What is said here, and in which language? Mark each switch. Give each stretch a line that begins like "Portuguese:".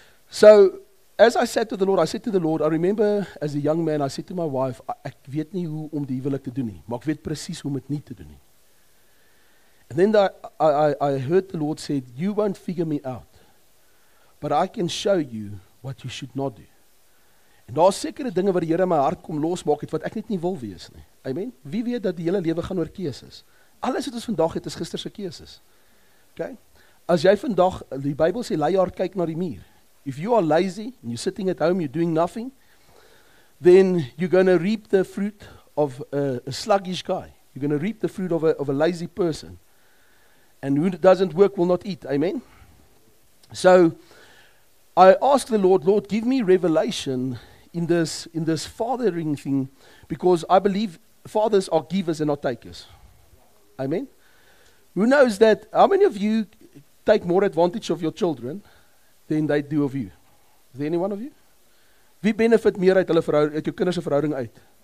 English: So, as I said to the Lord, I remember as a young man, I said to my wife,
Afrikaans: ek weet nie hoe om die huwelik te doen nie, maar ek weet precies hoe om het nie te doen nie.
English: And then I heard the Lord said, you won't figure me out, but I can show you what you should not do.
Afrikaans: En daar is sekere dinge wat die Here in my hart kom losmaak het, wat ek net nie wil wees nie. Amen? Wie weet dat die hele lewe gaan oor keuses? Alles wat ons vandag het, is gisterse keuses. Okay? As jy vandag, die Bybel sê, leihard kyk na die muur.
English: If you are lazy, and you're sitting at home, you're doing nothing, then you're going to reap the fruit of a sluggish guy. You're going to reap the fruit of a lazy person. And who doesn't work will not eat. Amen? So, I asked the Lord, Lord, give me revelation in this fathering thing, because I believe fathers are givers and not takers. Amen? Who knows that, how many of you take more advantage of your children than they do of you? Is there any one of you?
Afrikaans: Wie benefit meer uit hulle verhouding, uit jou kinderse verhouding uit?